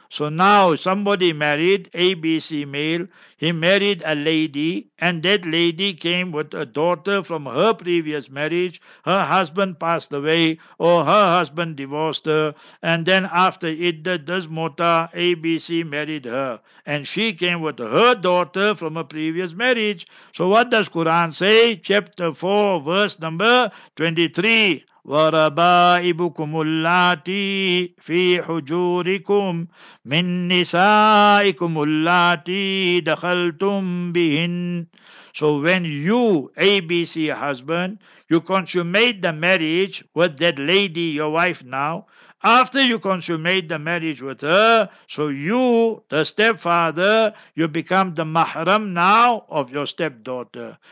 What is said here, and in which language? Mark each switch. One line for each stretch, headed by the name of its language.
English: So now somebody married ABC male. He married a lady, and that lady came with a daughter from her previous marriage. Her husband passed away, or her husband divorced her. And then after it, this Mota ABC married her, and she came with her daughter from a previous marriage. So what does Quran say? Chapter 4, verse number 23.
Arabic: وربائبكم اللاتي في حجوركم من نسائكم اللاتي دخلتم بهن.
English: So when you, ABC husband, you consummate the marriage with that lady, your wife now, after you consummate the marriage with her, so you, the stepfather, you become the mahram now of your stepdaughter.